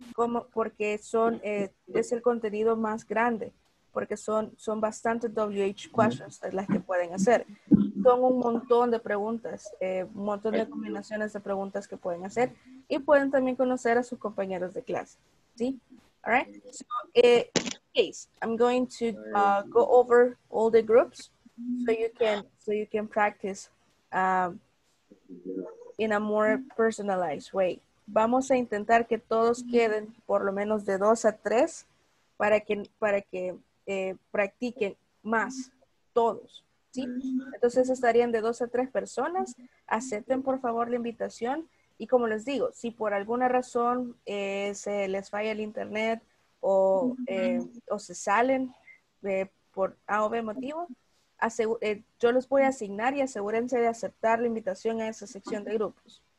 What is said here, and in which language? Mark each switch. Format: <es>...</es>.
<es>Como, porque son, es el contenido más grande, porque son bastantes WH questions las que pueden hacer. Son un montón de preguntas, un montón de combinaciones de preguntas que pueden hacer y pueden también conocer a sus compañeros de clase, ¿sí?</es> <en>All right? So, case, I'm going to go over all the groups so you can practice in a more personalized way.</en> <es>Vamos a intentar que todos queden por lo menos de 2 a 3 para que practiquen más todos. ¿Sí? Entonces estarían de 2 a 3 personas. Acepten por favor la invitación. Y como les digo, si por alguna razón se les falla el internet o se salen por A o B motivo, yo los voy a asignar y asegúrense de aceptar la invitación a esa sección de grupos.</es>